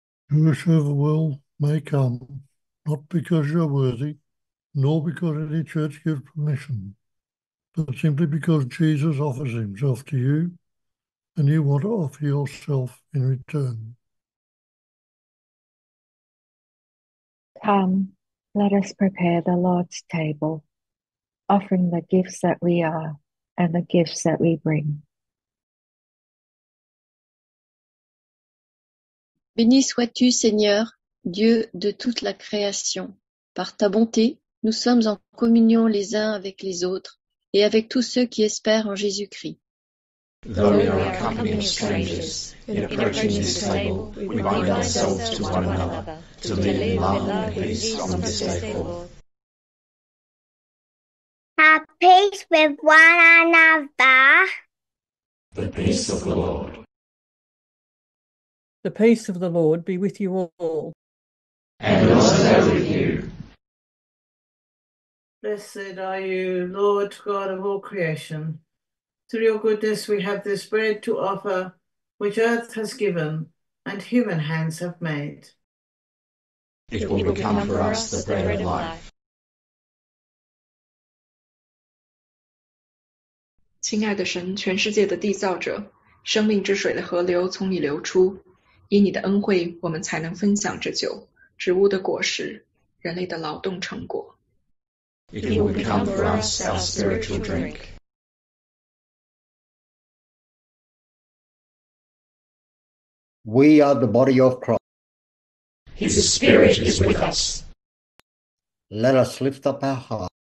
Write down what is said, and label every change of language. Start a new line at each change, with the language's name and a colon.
English: Whosoever will may come, not because you're worthy, nor because any church gives permission, but simply because Jesus offers himself to you and you want to offer yourself in return. Come, let us prepare the Lord's table, offering the gifts that we are and the gifts that we bring.
French: Béni sois-tu, Seigneur, Dieu de toute la création. Par ta bonté, nous sommes en communion les uns avec les autres et avec tous ceux qui espèrent en Jésus-Christ.
English: Though we are a company of strangers, in approaching this table, we bind ourselves to one another, to live in love and peace from this day forth. Have peace with one another. The peace of the Lord. The peace of the Lord be with you all. And also with you. Blessed are you, Lord God of all creation. Through your goodness we have this bread to offer, which earth has given and human hands have made. It will become for us the bread of life. Dear God,
Chinese: 全世界的缔造者，生命之水的河流从你流出。因你的恩惠，我们才能分享这酒，植物的果实，人类的劳动成果。
English: It will become for us our spiritual drink. We are the body of Christ. His spirit is with us. Let us lift up our hearts.